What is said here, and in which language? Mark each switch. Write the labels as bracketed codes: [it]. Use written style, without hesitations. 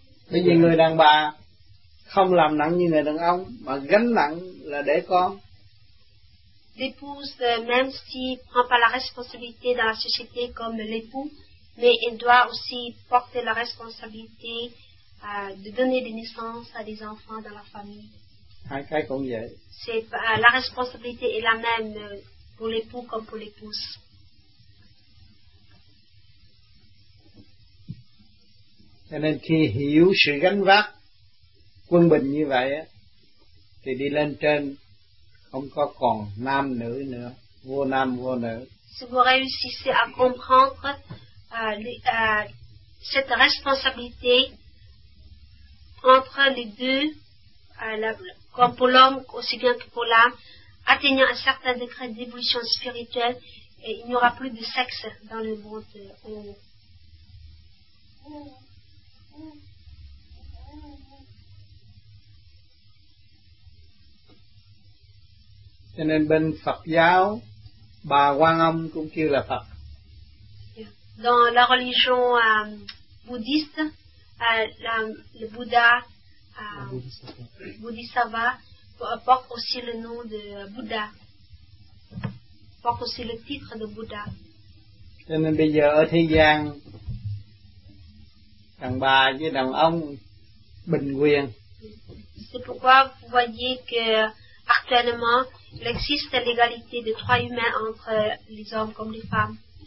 [vi] Bởi vì người đàn bà không làm nặng như người đàn ông, mà gánh nặng là để con. [fr] L'épouse, même si ne prend pas la responsabilité dans la société comme l'époux, mais elle doit aussi porter la responsabilité de donner des naissances à des enfants dans la famille. La responsabilité est la même pour l'époux comme pour l'épouse. [vi] Cho nên khi hiểu sự gánh vác quân bình như vậy, thì đi lên trên không có còn nam nữ nữa, vô nam vô nữ. [fr] Si vous réussissez à comprendre cette responsabilité entre les deux, comme pour l'homme aussi bien que pour l'âme, atteignant un certain degré d'évolution spirituelle, et il n'y aura plus de sexe dans le monde. [vi] Cho nên bên Phật giáo, bà Quan Âm cũng kêu là Phật. [fr] Dans la religion bouddhiste, le Bouddha, Bodhisattva, porte aussi le nom de Bouddha, porte aussi le titre de Bouddha. [vi] Cho nên bây giờ ở thế gian, đàn bà với đàn ông bình quyền. [fr] C'est pourquoi vous voyez que actuellement il existe l'égalité des droits humains entre les hommes comme les femmes.